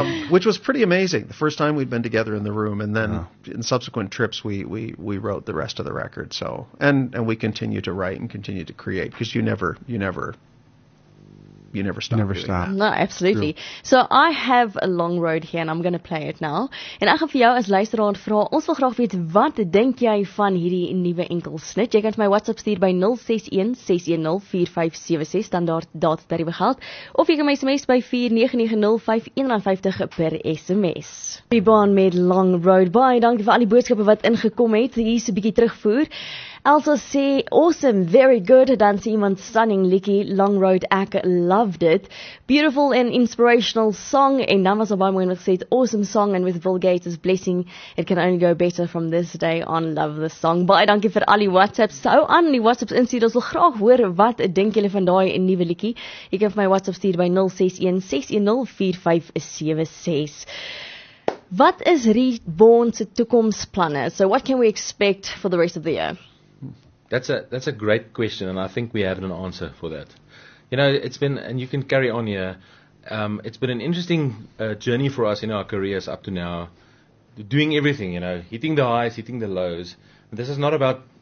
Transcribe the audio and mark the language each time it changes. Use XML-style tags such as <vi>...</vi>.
<en>which was pretty amazing. The first time we'd been together in the room, and then in subsequent trips, we wrote the rest of the record. So and we continue to write and continue to create, because you never stop. No, absolutely. True. So I have a Long Road here and I'm going to play it now.</en> <af>En ek gaan vir jou as luisteraar vra, ons wil graag weet, wat dink jy van hierdie nuwe enkelsnit? Jy kan vir my WhatsApp stuur by 061-610-4576, standaard data tariewe geld, of jy kan my SMS by 4990-5150 per SMS. Reborn met Long Road. Baie dankie vir al die boodskappe wat ingekom het. Hier is 'n bietjie terugvoer. Elsa sê,</af> <en>awesome, very good,</en> <af>dan sê iemand</af> <en>stunning, Likkie, Long Road, ek loved it, beautiful and inspirational song,</en> <af>en dan was al baie mooi gesê,</af> <en>awesome song, and with Bill Gates' blessing, it can only go better from this day on, love this song.</en> <af>Baie dankie vir al die WhatsApps, sou aan die WhatsApps instuur, ons wil graag hoor, wat dink julle van daai nuwe Likkie, jy kan vir my WhatsApp stuur by 061-610-4576. Wat is Reborn's toekomstplanne?</af> <en>So what can we expect for the rest of the year? That's a great question, and I think we have an answer for that. You know, it's been, and you can carry on here, it's been an interesting journey for us in our careers up to now, doing everything, you know, hitting the highs, hitting the lows. This is not about</en>